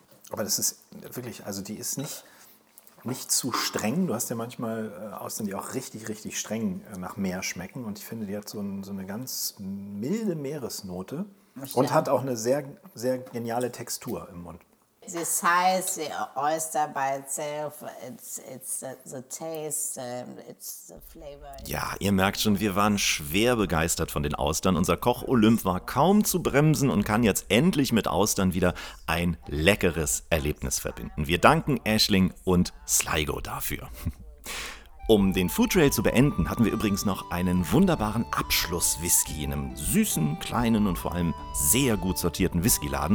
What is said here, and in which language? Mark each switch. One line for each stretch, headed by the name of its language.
German: Aber das ist wirklich, also die ist nicht zu streng. Du hast ja manchmal Austern, die auch richtig, richtig streng nach Meer schmecken. Und ich finde, die hat so eine ganz milde Meeresnote. Ich und hat auch eine sehr, sehr geniale Textur im Mund.
English: The size, the oyster by itself, it's the taste, it's the flavor.
German: Ja, ihr merkt schon, wir waren schwer begeistert von den Austern. Unser Koch-Olymp war kaum zu bremsen und kann jetzt endlich mit Austern wieder ein leckeres Erlebnis verbinden. Wir danken Aisling und Sligo dafür. Um den Foodtrail zu beenden, hatten wir übrigens noch einen wunderbaren Abschluss-Whisky in einem süßen, kleinen und vor allem sehr gut sortierten Whiskyladen.